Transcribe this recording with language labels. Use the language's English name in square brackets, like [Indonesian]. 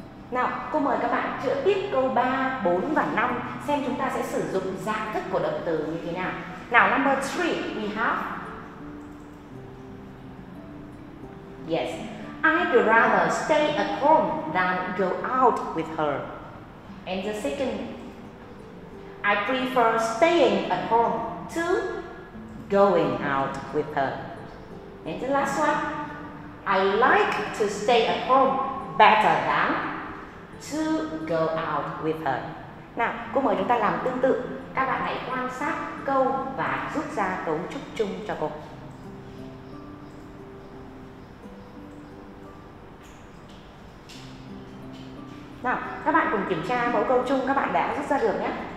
[Vietnamese] Nào, cô mời các bạn chữa tiếp câu 3, 4 và 5 xem chúng ta sẽ sử dụng dạng thức của động từ như thế nào. [English] Nào, number 3, we have. Yes, I'd rather stay at home than go out with her. And the second, I prefer staying at home to going out with her. And the last one, I like to stay at home better than to go out with her. [Vietnamese] Nào, cô mời chúng ta làm tương tự. Các bạn hãy quan sát câu và rút ra cấu trúc chung cho cô. Nào, các bạn cùng kiểm tra mẫu câu chung các bạn đã rút ra được nhé.